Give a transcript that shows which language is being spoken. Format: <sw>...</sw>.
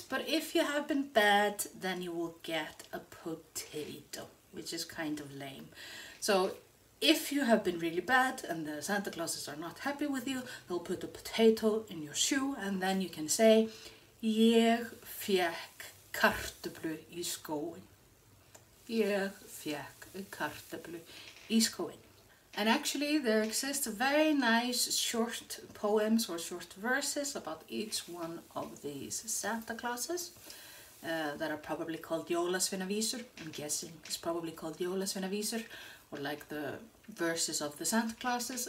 <en>But if you have been bad, then you will get a potato, which is kind of lame. So if you have been really bad and the Santa Clauses are not happy with you, they'll put a potato in your shoe and then you can say, Ég fékk.</en> <is>Kartöblu í skóin. Ég fékk kartöblu í skóin.</is> <en>And actually there exists very nice short poems or short verses about each one of these Santa Clauses that are probably called Jólasveinavísur. I'm guessing it's probably called Jólasveinavísur, or like the verses of the Santa Clauses.</en>